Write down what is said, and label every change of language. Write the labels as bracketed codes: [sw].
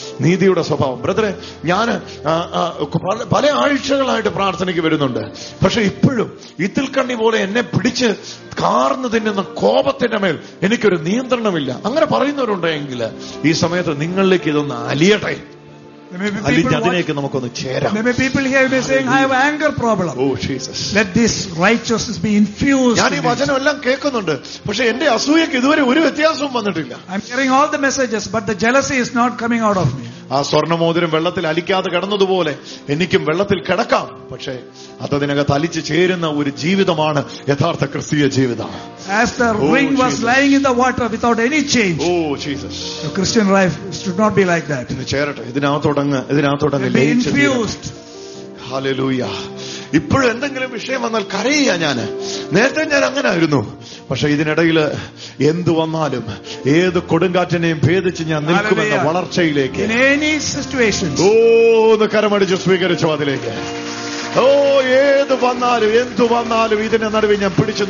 [ml] നീതിയുടെ സ്വഭാവം ബ്രദറെ, ഞാൻ പല ആഴ്ചകളായിട്ട് പ്രാർത്ഥനയ്ക്ക് വരുന്നുണ്ട്, പക്ഷെ ഇപ്പോഴും ഇത്തിൽക്കണ്ണി പോലെ എന്നെ പിടിച്ച് കാർന്നു തിന്നുന്ന കോപത്തിന്റെ മേൽ എനിക്കൊരു നിയന്ത്രണമില്ല. അങ്ങനെ പറയുന്നവരുണ്ടെങ്കിൽ ഈ സമയത്ത് നിങ്ങളിലേക്ക് ഇതൊന്ന് അലിയട്ടെ. [en] There may be people here who may be saying, I have anger problem. Oh, Jesus. Let this righteousness be infused. I'm hearing all the messages, but the jealousy is not coming out of me. [ml] ആ സ്വർണമോതിരം വെള്ളത്തിൽ അലിക്കാതെ കിടന്നതുപോലെ എനിക്കും വെള്ളത്തിൽ കിടക്കാം, പക്ഷേ അതിനകത്ത് അലിച്ചു ചേരുന്ന ഒരു ജീവിതമാണ് യഥാർത്ഥ ക്രിസ്തീയ ജീവിതം. [en] As the ring was lying in the water without any change. Oh Jesus. A Christian life should not be like that. [ml] ഇതിനെ ചേരട്ടെ, ഇതിനകത്തോടങ്ങ് [en] infused. Hallelujah. [ml] ഇപ്പോഴും എന്തെങ്കിലും വിഷയം വന്നാൽ കരയുക. ഞാന് നേരത്തെ ഞാൻ അങ്ങനെ ആയിരുന്നു, പക്ഷെ ഇതിനിടയിൽ എന്തു വന്നാലും ഏത് കൊടുങ്കാറ്റിനെയും ഭേദിച്ച് ഞാൻ നിൽക്കുമെന്ന വളർച്ചയിലേക്ക്. ഓ കരമടിച്ച് സ്വീകരിച്ചു അതിലേക്ക്. ഓ ഏത് വന്നാലും എന്തു വന്നാലും ഇതിന്റെ നടുവിൽ ഞാൻ പിടിച്ചു